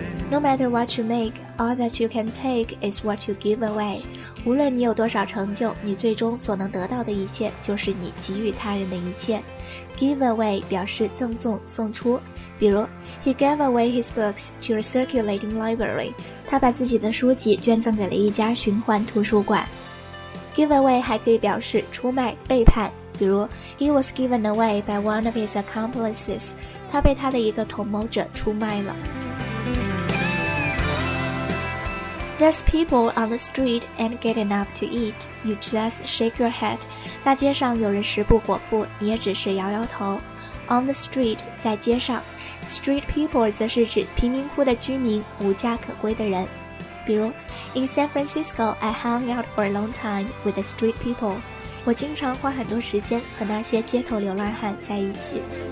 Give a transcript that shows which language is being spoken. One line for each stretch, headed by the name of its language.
English: No matter what you make, all that you can take is what you give away。
Chinese: 无论你有多少成就，你最终所能得到的一切就是你给予他人的一切。
English: Give away
Chinese: 表示赠送、送出。比如
English: ,He gave away his books to a circulating library.
Chinese: 他把自己的书籍捐赠给了一家循环图书馆。
English: Give away
Chinese: 还可以表示出卖、背叛。比如
English: ,He was given away by one of his accomplices.
Chinese: 他被他的一个同谋者出卖了。
English: There's people on the street and get enough to eat. You just shake your head.
Chinese: 大街上有人食不果腹，你也只是摇摇头。
English: On the street,
Chinese: 在街上。Street people 则是指贫民窟的居民，无家可归的人。比如
English: ,In San Francisco, I hung out for a long time with the street people.
Chinese: 我经常花很多时间和那些街头流浪汉在一起。